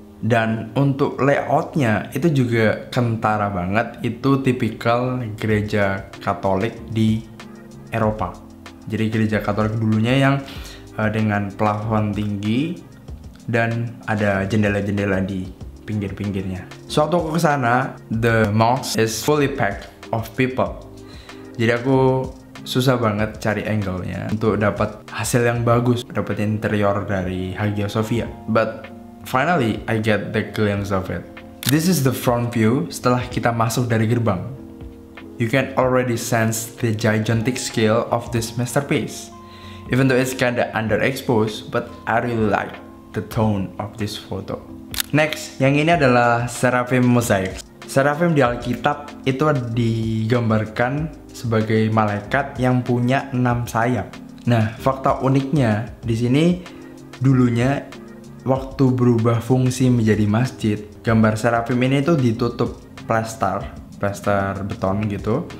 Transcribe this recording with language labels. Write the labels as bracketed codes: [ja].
[id] Dan untuk layoutnya itu juga kentara banget, itu tipikal gereja Katolik di Eropa. Jadi gereja Katolik dulunya yang dengan plafon tinggi, dan ada jendela-jendela di pinggir-pinggirnya. [en] So [id] waktu aku kesana, [en] the mosque is fully packed of people. [id] Jadi aku susah banget cari angle-nya untuk dapat hasil yang bagus, dapat interior dari Hagia Sophia. [en] But finally, I get the glimpse of it. This is the front view [id] setelah kita masuk dari gerbang. [en] You can already sense the gigantic scale of this masterpiece. Even though it's kinda underexposed, but I really like the tone of this photo. [id] Next, yang ini adalah Seraphim Mosaic. Seraphim di Alkitab itu digambarkan sebagai malaikat yang punya 6 sayap. Nah, fakta uniknya di sini dulunya waktu berubah fungsi menjadi masjid, gambar Seraphim ini tuh ditutup plester beton gitu.